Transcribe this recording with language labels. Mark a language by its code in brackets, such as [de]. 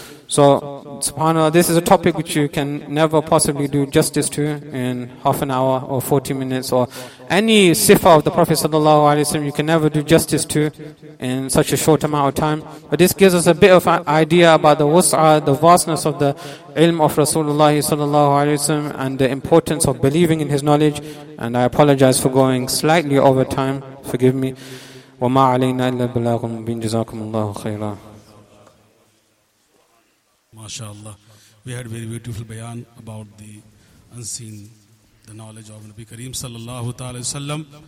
[en] So, subhanAllah, this is a topic which you can never possibly do justice to in half an hour or 40 minutes or any sifa of the Prophet sallallahu alaihi wasallam you can never do justice to in such a short amount of time. But this gives us a bit of an idea about the wus'ah, the vastness of the ilm of Rasulullah sallallahu alaihi wasallam and the importance of believing in his knowledge. And I apologize for going slightly over time. Forgive me. [ar] وما علينا إلا البلاغ المبين جزاكم الله خيرا ما شاء الله [en] We had very beautiful bayan about the unseen, the knowledge of Nabi Kareem sallallahu ta'ala wa sallam.